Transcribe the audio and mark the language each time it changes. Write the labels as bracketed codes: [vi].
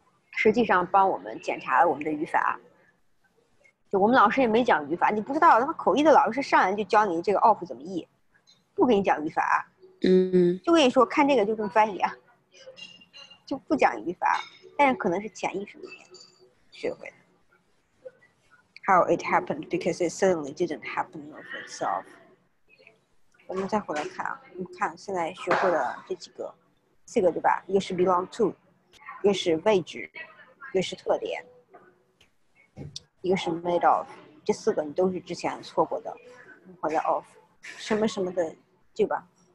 [zh] 实际上帮我们检查了我们的语法。我们老师也没讲语法，你不知道，他们口译的老师上来就教你这个 of 怎么译，不给你讲语法，嗯，就跟你说看这个就这么翻译啊，就不讲语法，但是可能是潜意识里面学会的。 [en] How it happened because it suddenly didn't happen of itself。 [zh] 我们再回来看啊，我们看现在学会的这几个，四个对吧？一个是 belong to， 一个是位置，一个是特点。一个是 made of， 这四个你都是之前错过的，或者 of， 什么什么的，对吧？